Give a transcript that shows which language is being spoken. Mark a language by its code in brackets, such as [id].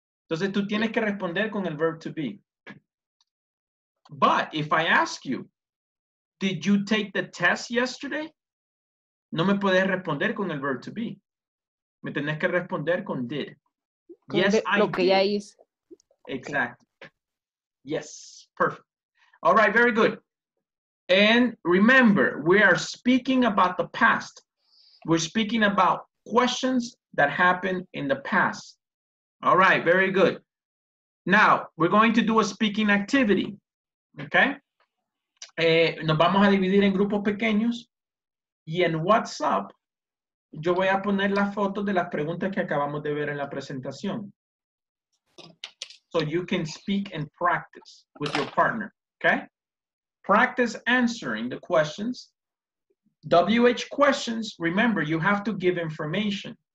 [es] Entonces, tú tienes que responder con el verb to be. [en] But if I ask you, did you take the test yesterday? [es] No me puedes responder con el verb to be. Me tenés que responder con did. Con yes, de, I lo did. Que ya hice. [en] Exactly. Okay. Yes, perfect. All right, very good. And remember, we are speaking about the past. We're speaking about questions that happened in the past. All right, very good. Now, we're going to do a speaking activity, okay? [es] Nos vamos a dividir en grupos pequeños. Y en WhatsApp, yo voy a poner la foto de las preguntas que acabamos de ver en la presentación. [en] So you can speak and practice with your partner, okay? Practice answering the questions. WH questions, remember, you have to give information.